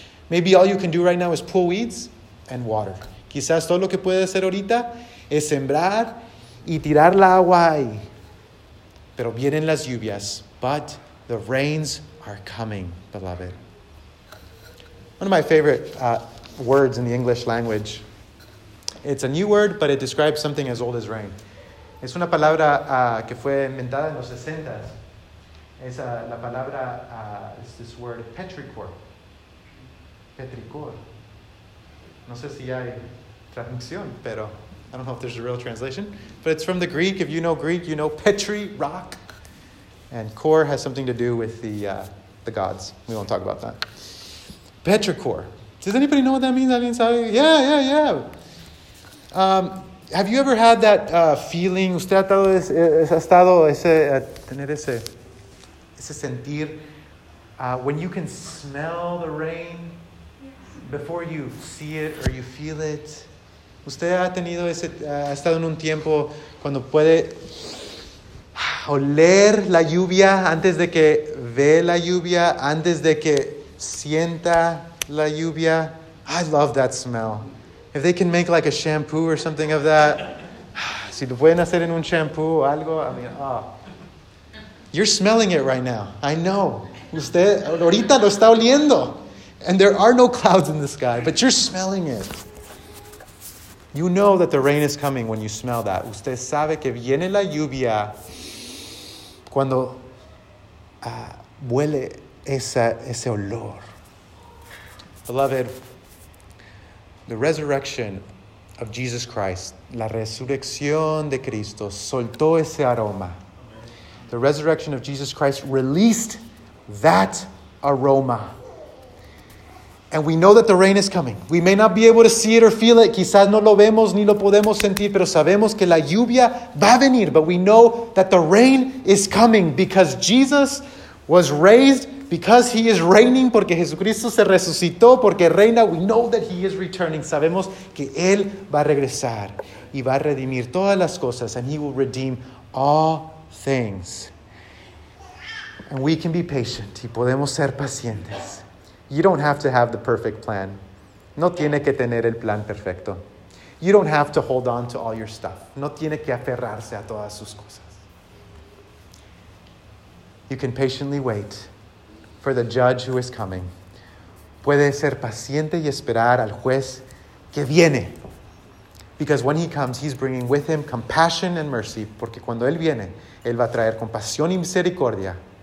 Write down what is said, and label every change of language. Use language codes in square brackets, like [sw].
[en] Maybe all you can do right now is pull weeds and water. [es] Quizás todo lo que puede hacer ahorita es sembrar y tirar la agua ahí. Pero vienen las lluvias. [en] But the rains are coming, beloved. One of my favorite words in the English language. It's a new word, but it describes something as old as rain. [es] Es una palabra que fue inventada en los 60s. Es la palabra, [en] it's this word, petrichor. Petrichor. [es] No sé si hay traducción, pero [en] I don't know if there's a real translation. But it's from the Greek. If you know Greek, you know petri, rock. And core has something to do with the gods. We won't talk about that. Petrichor. Does anybody know what that means? [es] Alguien sabe? [en] Yeah. Have you ever had that feeling? [es] Usted ha estado ese tener ese [en] sentir when you can smell the rain before you see it or you feel it. [es] Usted ha tenido ese ha estado en un tiempo cuando puede oler la lluvia antes de que ve la lluvia, antes de que sienta la lluvia. [en] I love that smell. If they can make like a shampoo or something of that. [es] Si lo pueden hacer en un shampoo o algo, [en] I mean, oh. You're smelling it right now. I know. [es] Usted ahorita lo está oliendo. [en] And there are no clouds in the sky, but you're smelling it. You know that the rain is coming when you smell that. [es] Usted sabe que viene la lluvia cuando huele ese olor. [en] Beloved, the resurrection of Jesus Christ, [es] la resurrección de Cristo, soltó ese aroma. [en] The resurrection of Jesus Christ released that aroma. And we know that the rain is coming. We may not be able to see it or feel it. [es] Quizás no lo vemos ni lo podemos sentir, pero sabemos que la lluvia va a venir. [en] But we know that the rain is coming because Jesus was raised. Because he is reigning, [es] porque Jesucristo se resucitó, porque reina, [en] we know that he is returning. [es] Sabemos que él va a regresar y va a redimir todas las cosas. [en] And he will redeem all things. And we can be patient. [es] Y podemos ser pacientes. [en] You don't have to have the perfect plan. [es] No tiene que tener el plan perfecto. [en] You don't have to hold on to all your stuff. [es] No tiene que aferrarse a todas sus cosas. [en] You can patiently wait for the judge who is coming. [es] Puede ser paciente y esperar al juez que viene. [en] Because when he comes, he's bringing with him compassion and mercy. [es] Porque cuando él viene, él va a traer compasión y misericordia.